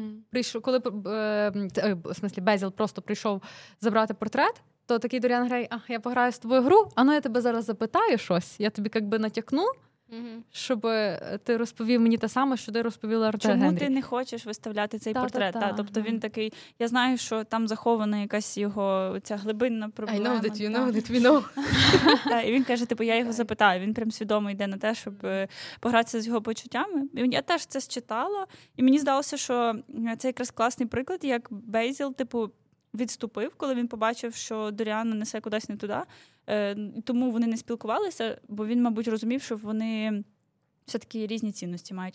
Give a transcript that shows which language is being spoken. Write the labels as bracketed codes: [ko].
[uk] Прийшов, коли в смислі, Безіл просто прийшов забрати портрет, то такий Доріан Грей, а я пограю з тобою гру, а ну я тебе зараз запитаю щось, я тобі якби натякну, щоб ти розповів мені те саме, що ти розповіла Артегенрі. Чому Генрі? Ти не хочеш виставляти цей портрет? Та. Тобто він такий, я знаю, що там захована якась його ця глибинна проблема. [en] I know that you know that we know. [uk] І він каже, типу, я його запитаю. Він прям свідомо йде на те, щоб погратися з його почуттями. Я теж це считала. І мені здалося, що це якраз класний приклад, як Бейзіл, типу, відступив, коли він побачив, що Доріана несе кудись не туди. Тому вони не спілкувалися, бо він, мабуть, розумів, що вони все-таки різні цінності мають.